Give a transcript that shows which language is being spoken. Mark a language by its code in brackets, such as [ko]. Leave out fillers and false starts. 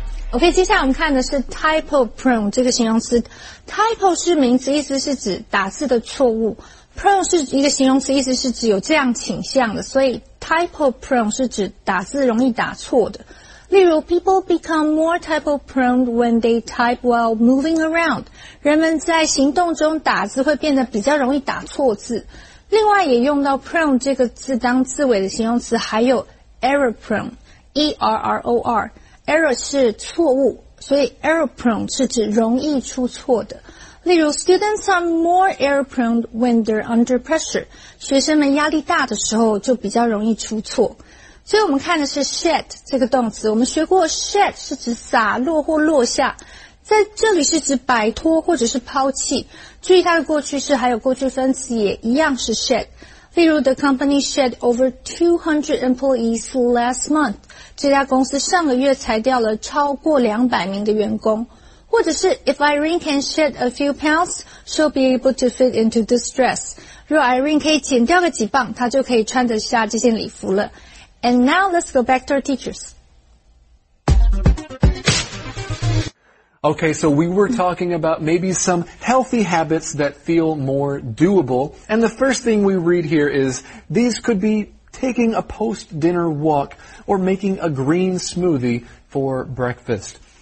[zh] OK, 接下来我们看的是 typo prone 这个形容词。typo 是名词，意思是指打字的错误。 prone 是一个形容词，意思是指有这样倾向的。所以 typo prone 是指打字容易打错的。 [en] 例如 ,people become more typo prone when they type while moving around. [zh] 人们在行动中打字会变得比较容易打错字。另外也用到 prone 这个字当字尾的形容词，还有 error prone, E-R-R-O-R。 Error 是错误，所以 error prone 是指容易出错的。 [en] 例如 ,students are more error prone when they're under pressure. [zh] 学生们压力大的时候就比较容易出错。所以我们看的是 shed 这个动词。我们学过 shed 是指洒落或落下。在这里是指摆脱或者是抛弃。注意它的过去式还有过去分词也一样是 shed。 [en] 例如 ,the company shed over 200 employees last month. [zh] 这家公司上个月裁掉了超过200名的员工。或者是 [en] ,if Irene can shed a few pounds, she'll be able to fit into this dress. [zh] 若 Irene 可以减掉个几磅,她就可以穿得下这件礼服了。 [en] And now let's go back to our teachers. Okay, so we were talking about maybe some healthy habits that feel more doable. And the first thing we read here is these could be taking a post-dinner walk or making a green smoothie for breakfast.